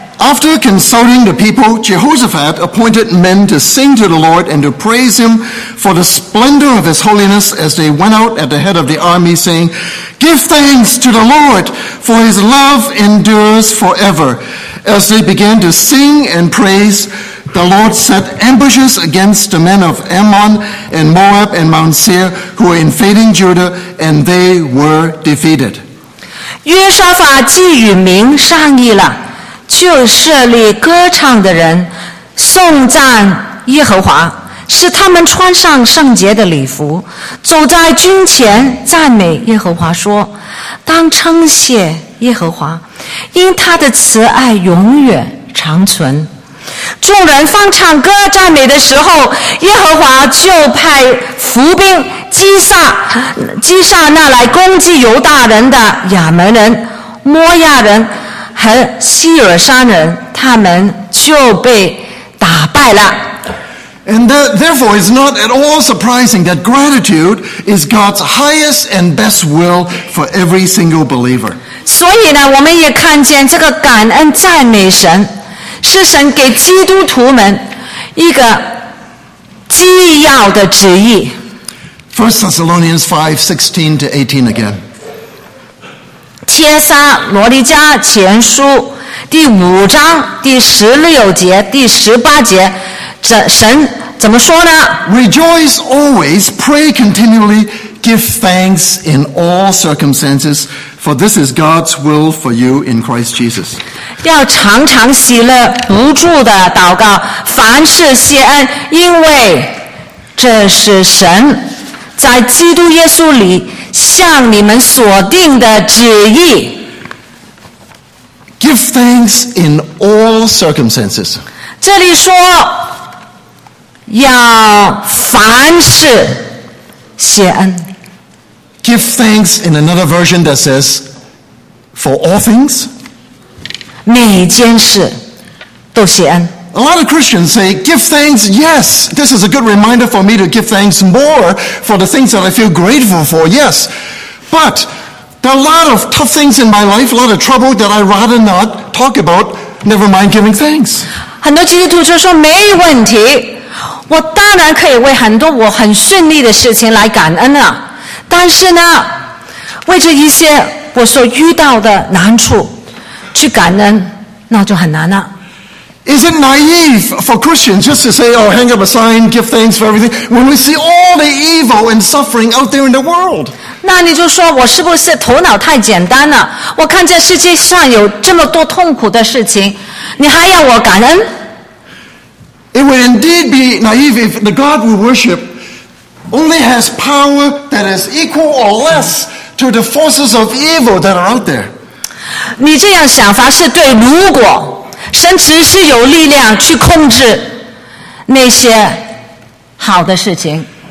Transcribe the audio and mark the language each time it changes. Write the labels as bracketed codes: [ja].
[en] After consulting the people, Jehoshaphat appointed men to sing to the Lord and to praise him for the splendor of his holiness as they went out at the head of the army, saying, Give thanks to the Lord, for his love endures forever. As they began to sing and praise, the Lord set ambushes against the men of Ammon and Moab and Mount Seir who were invading Judah, and they were defeated. [zh] 约沙法既与民商议了，就设立歌唱的人颂赞耶和华，使他们穿上圣洁的礼服，走在军前赞美耶和华，说当称谢耶和华，因他的慈爱永远长存。众人放唱歌赞美的时候，耶和华就派伏兵击杀那来攻击犹大人的亚门人、摩亚人和希尔山人，他们就被打败了。 [en] And that, therefore, it's not at all surprising that gratitude is God's highest and best will for every single believer. [zh] 所以呢，我们也看见这个感恩赞美神，是神给基督徒们一个基要的旨意。 [en] First Thessalonians 5:16-18 again. [zh] 帖撒罗尼迦前书第五章第十六节第十八节，神怎么说呢？ [en] Rejoice always, pray continually, give thanks in all circumstances, for this is God's will for you in Christ Jesus. [zh] 要常常喜乐，不住的祷告，凡事谢恩，因为这是神在基督耶稣里向你们所定的旨意。 [en] Give thanks in all circumstances. [zh] 这里说要凡事谢恩。 [en] Give thanks in another version that says for all things. [zh] 每件事都谢恩。 [en] A lot of Christians say, give thanks, yes, this is a good reminder for me to give thanks more for the things that I feel grateful for, yes. But there are a lot of tough things in my life, a lot of trouble that I'd rather not talk about, never mind giving thanks. [zh] 很多基督徒就说没问题，我当然可以为很多我很顺利的事情来感恩了，但是呢，为这一些我所遇到的难处去感恩，那就很难了。 [en] Is it naive for Christians just to say, oh, hang up a sign, give thanks for everything, when we see all the evil and suffering out there in the world? [zh] 那你就说我是不是头脑太简单了？我看这世界上有这么多痛苦的事情，你还要我感恩？ [en] It would indeed be naive if the God we worship only has power that is equal or less to the forces of evil that are out there. [zh] 你这样想法是对，如果神只是有力量去控制那些好的事情。